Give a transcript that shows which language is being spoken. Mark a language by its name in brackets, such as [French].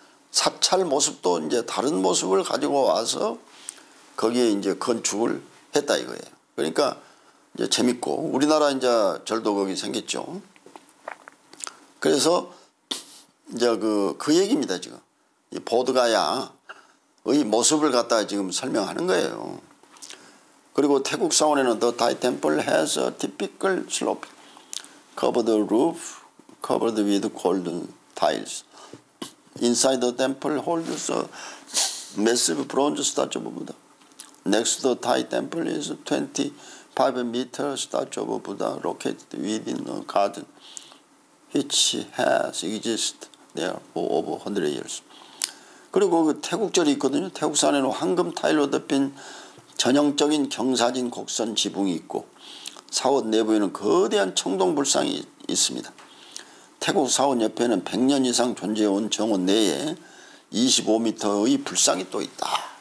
[Korean] 사찰 모습도 이제 다른 모습을 가지고 와서 거기에 이제 건축을 했다 이거예요. 그러니까 이제 재밌고 우리나라 이제 절도 거기 생겼죠. 그래서 이제 그 얘기입니다 지금. 이 보드가야의 모습을 갖다가 지금 설명하는 거예요. 그리고 태국 사원에는 [English] The Thai Temple has a typical slope covered roof covered with golden tiles. Inside the temple holds a massive bronze statue of Buddha. Next to the Thai temple is a 25-meter statue of Buddha located within a garden which has existed there for over 100 years. [Korean] 그리고 그 태국절이 있거든요. 태국산에는 황금 타일로 덮인 전형적인 경사진 곡선 지붕이 있고 사원 내부에는 거대한 청동불상이 있습니다. 태국 사원 옆에는 100년 이상 존재해온 정원 내에 25m의 불상이 또 있다.